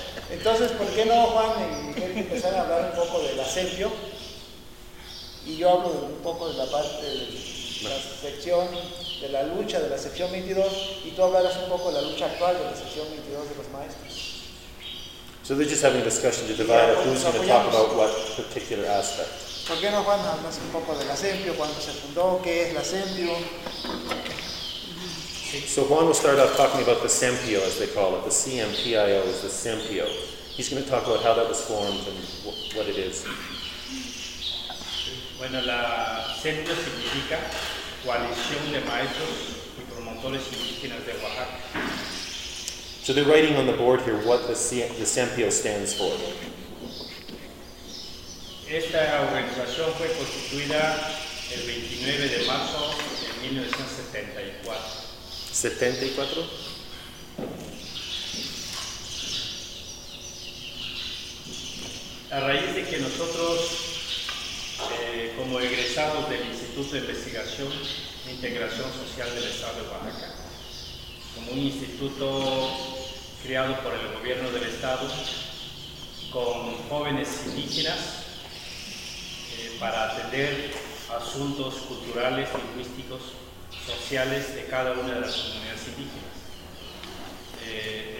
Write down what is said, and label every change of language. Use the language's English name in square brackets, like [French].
[Spanish] Entonces, ¿por qué no, Juan, empezar a hablar un poco del Sempio? Y yo hablo un poco de la parte de la sección, de la lucha de la sección 22, y tú hablarás un poco de la lucha actual de la sección 22 de los maestros. [English] So they're just having a discussion to divide up who's going to talk about what particular aspect. [Spanish] ¿Por qué no, Juan, hablas un poco de la Sempio, cuándo se fundó, qué es la Sempio? [English] So Juan will start off talking about the Sempio, as they call it. The CMPIO is the Sempio. He's going to talk about how that was formed and what it is. [Spanish] Bueno, la Sempio significa Coalición de Maestros y Promotores Indígenas de Oaxaca. [English] So they're writing on the board here what the Sempio stands for. [Spanish] Esta organización fue constituida el 29 de marzo de 1974. ¿74? A raíz de que nosotros, como egresados del Instituto de Investigación e Integración Social del Estado de Oaxaca, como un instituto creado por el gobierno del estado con jóvenes indígenas para atender asuntos culturales, lingüísticos, sociales de cada una de las comunidades indígenas.